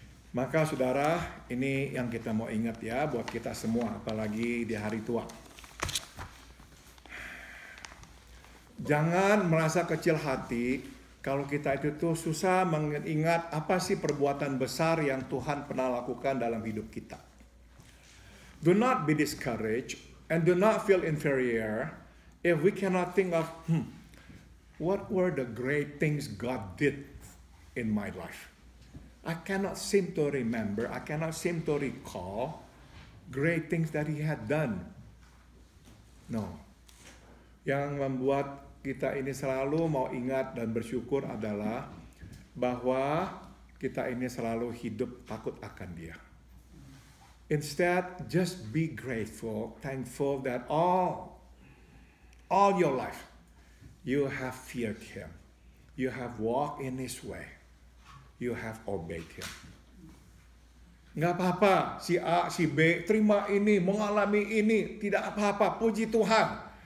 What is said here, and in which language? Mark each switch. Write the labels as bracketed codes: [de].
[id] Maka saudara, ini yang kita mau ingat ya, buat kita semua, apalagi di hari tua. Jangan merasa kecil hati kalau kita itu tuh susah mengingat apa sih perbuatan besar yang Tuhan pernah lakukan dalam hidup kita. [en] Do not be discouraged and do not feel inferior if we cannot think of what were the great things God did in my life. I cannot seem to remember, I cannot seem to recall great things that he had done. No. [id] Yang membuat kita ini selalu mau ingat dan bersyukur adalah bahwa kita ini selalu hidup takut akan dia. [en] Instead, just be grateful, thankful that all your life you have feared him. You have walked in his way. You have obeyed him. [id] Enggak apa-apa, si A, si B, terima ini, mengalami ini, tidak apa-apa, puji Tuhan.